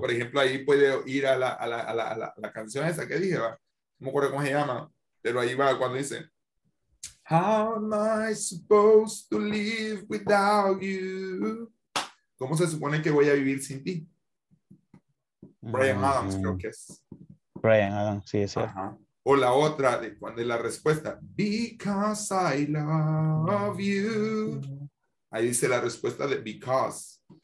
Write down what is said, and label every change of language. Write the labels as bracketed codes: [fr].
[es] Por ejemplo, ahí puede ir a la canción esa que dije. ¿Va? No me acuerdo cómo se llama. Pero ahí va cuando dice... [en] How am I supposed to live without you? [es] ¿Cómo se supone que voy a vivir sin ti? Brian Adams, creo que es. Brian Adams, sí, sí. Ajá. O la otra, de cuando es la respuesta. [en] Because I love you. [es] Ahí dice la respuesta de because.